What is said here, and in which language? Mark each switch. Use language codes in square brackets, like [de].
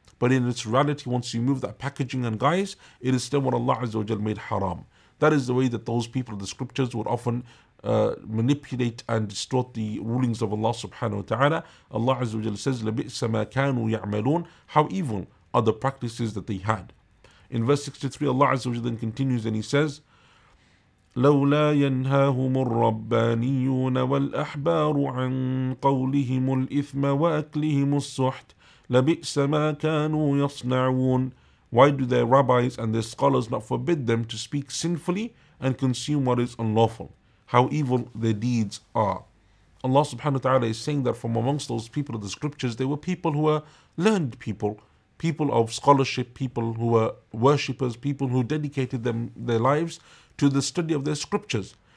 [en] But in its reality, once you move that packaging and guise, it is still what Allah Azza wa Jalla made haram. That is the way that those people of the scriptures would often manipulate and distort the rulings of Allah subhanahu wa ta'ala. Allah Azza wa Jalla says, [ar] لَبِئْسَ مَا كَانُوا يَعْمَلُونَ. [en] How evil are the practices that they had. In verse 63, Allah Azza wa Jalla then continues and He says, [ar] لَوْلَا يَنْهَاهُمُ الرَّبَّانِيُّونَ وَالْأَحْبَارُ عَنْ قَوْلِهِمُ الْإِثْمَ وَأَكْلِهِمُ السُّحْتِ لَبِئْسَ مَا كَانُوا يَصْنَعُونَ. [en] Why do their rabbis and their scholars not forbid them to speak sinfully and consume what is unlawful? How evil their deeds are. Allah subhanahu wa ta'ala is saying that from amongst those people of the scriptures, they were people who were learned people, people of scholarship, people who were worshippers, people who dedicated them their lives to the study of their scriptures.